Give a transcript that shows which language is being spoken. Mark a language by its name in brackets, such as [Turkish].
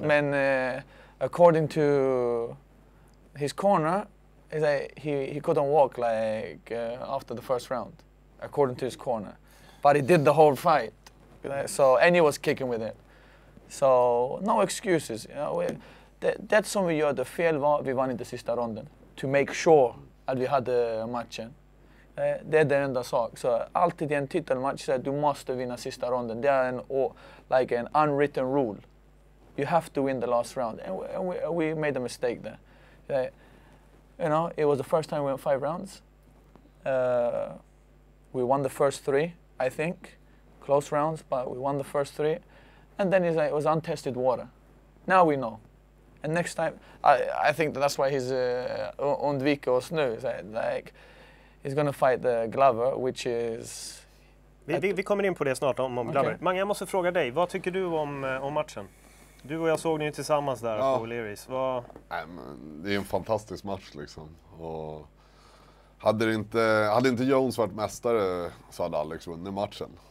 [English] Men according to his corner, he couldn't walk like after the first round, according to his corner. But he did the whole fight. So, and he was kicking with it. So, no excuses. You know, [Swedish] det som vi gjorde fel var att vi vann inte sista ronden. [English] To make sure [Swedish] att vi hade matchen. Det är den enda sak. Så alltid i en titelmatch så du måste vinna sista ronden. Det är en [English] like an unwritten rule. You have to win the last round. And we made a mistake there. You know, it was the first time we went 5 rounds. We won the first 3, I think. Close rounds, but we won the first 3. And then he's like, it was untested water. Now we know. And next time, I think that's why he's [Swedish] undviker oss nu. [English] Like, he's going to fight the Glover, which is... [Swedish] Vi kommer in på det snart om Glover. Okay. Mange, jag måste fråga dig, vad tycker du om matchen? Du och jag såg ni tillsammans där, ja, på O'Leary's. Vad... Nej, men det är en fantastisk match liksom. Och hade inte Jones varit mästare så hade Alex vunnit matchen.